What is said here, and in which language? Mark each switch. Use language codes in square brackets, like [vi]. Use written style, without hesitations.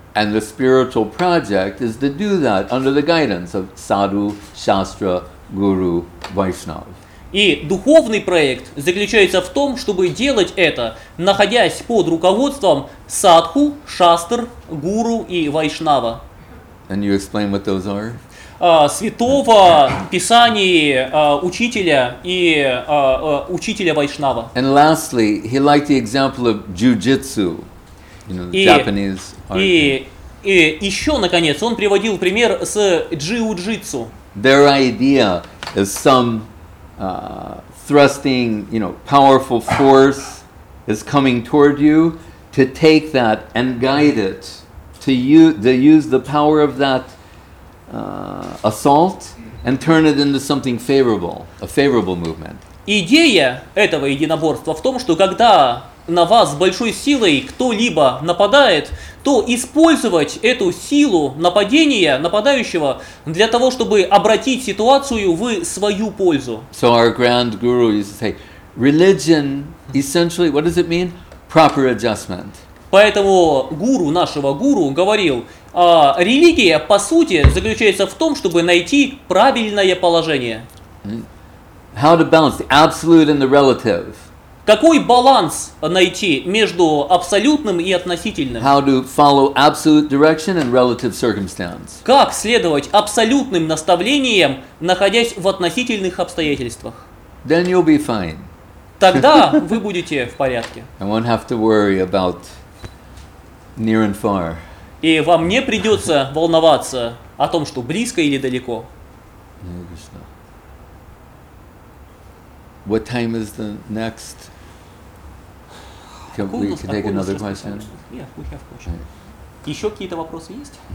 [en] And the spiritual project is to do that under the guidance of sadhu, shastra, guru, Vaishnava. [ru] И духовный проект заключается в том, чтобы делать это, находясь под руководством садху, шастр, гуру и вайшнава. [en] And you explain what those are? [ru] Святого, Писания, Учителя и Учителя Вайшнава. [en] And lastly, he liked the example of jiu-jitsu, Japanese art. [ru] И еще, наконец, он приводил пример с джиу-джитсу. [en] Their idea is some thrusting, powerful force is coming toward you to take that and guide it, to use the power of that assault and turn it into something favorable, a favorable movement. [ru] Идея этого единоборства в том, что когда на вас с большой силой кто-либо нападает, то использовать эту силу нападения нападающего для того, чтобы обратить ситуацию в свою пользу. [en] So our grand guru used to say, religion essentially, what does it mean? Proper adjustment. [ru] Поэтому гуру нашего гуру говорил, религия по сути заключается в том, чтобы найти правильное положение. [en] How to balance the absolute and the relative? [ru] Какой баланс найти между абсолютным и относительным? [en] How to follow absolute direction and relative circumstance? [ru] Как следовать абсолютным наставлениям, находясь в относительных обстоятельствах? [en] Then you'll be fine. [ru] Тогда вы будете в порядке. [en] I won't have to worry about near and far. [ru] И вам не придется волноваться о том, что близко или далеко. [en] What time is the next? Can we take another question? Yeah, we have question. Right. [ru] Еще какие-то вопросы есть?